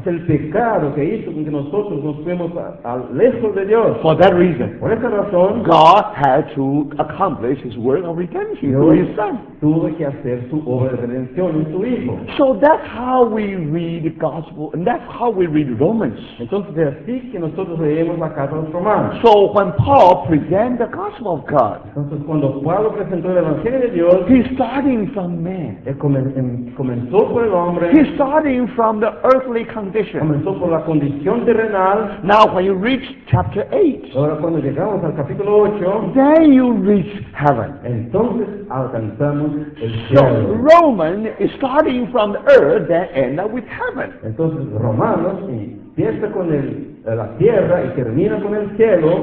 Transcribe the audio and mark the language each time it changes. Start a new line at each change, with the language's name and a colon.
Spanish: Es el pecado que hizo con que nosotros nos fuimos lejos de Dios.
English: For that reason,
Spanish: por esa razón,
English: God had to accomplish His work of redemption through His Son.
Spanish: Tuvo que hacer su obra de redención en su Hijo.
English: So that's how we read the gospel, and that's how we read Romans.
Spanish: Entonces es así que nosotros leemos la carta de los Romanos.
English: So when Paul presented the gospel of God,
Spanish: entonces cuando Pablo presentó el evangelio,
English: he's starting from man.
Spanish: Comenzó por el hombre.
English: He's starting from the earthly condition.
Spanish: Comenzó por la condición terrenal.
English: Now when you reach chapter 8,
Spanish: ahora cuando llegamos al capítulo 8,
English: then you reach heaven.
Spanish: Entonces alcanzamos el cielo.
English: So Roman is starting from the earth, then end up with heaven.
Spanish: Entonces Romanos empieza con la tierra y termina con el cielo.